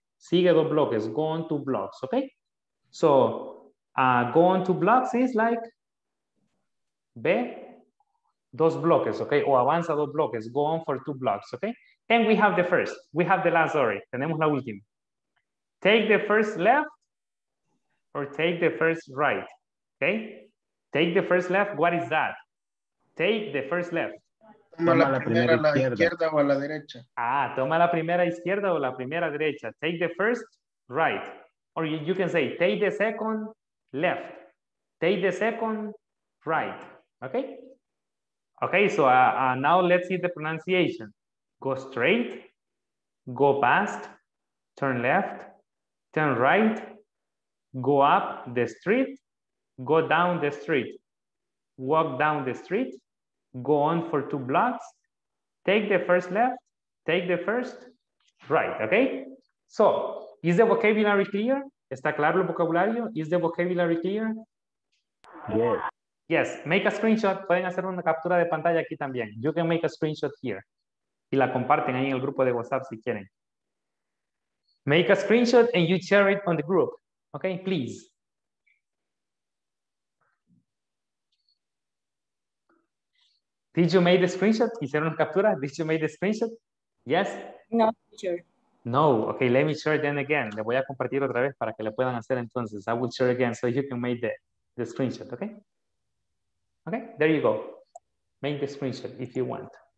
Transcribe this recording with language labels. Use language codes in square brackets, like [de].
[es] Sigue dos bloques, [en] go on two blocks, okay? So go on two blocks is like, [es] ve dos bloques, [en] okay? [es] O avanza dos bloques, [en] go on for two blocks, okay? And we have the first, we have the last, sorry. [es] Tenemos la última. [en] Take the first left or take the first right, okay? Take the first left, what is that? Take the first left. [es] Toma la primera a la izquierda o a la derecha. Ah, toma la primera izquierda o la primera derecha. [en] Take the first right. Or you can say, take the second left. Take the second right, okay? Okay, so now let's see the pronunciation. Go straight, go past, turn left, turn right, go up the street, go down the street, walk down the street, go on for two blocks, take the first left, take the first right, okay? So, is the vocabulary clear? [es] ¿Está claro el vocabulario? [en] Is the vocabulary clear? Yes. Yes, make a screenshot. [es] Pueden hacer una captura de pantalla aquí también. [en] You can make a screenshot here. [es] Y la comparten ahí en el grupo de WhatsApp si quieren. [en] Make a screenshot and you share it on the group. Okay, please. Did you make the screenshot? [es] ¿Hicieron una captura? [en] Did you make the screenshot? Yes? No, teacher. No, okay, let me share then again. [es] Le voy a compartir otra vez para que le puedan hacer entonces. [en] I will share again so you can make the screenshot, okay? Okay, there you go. Make the screenshot if you want.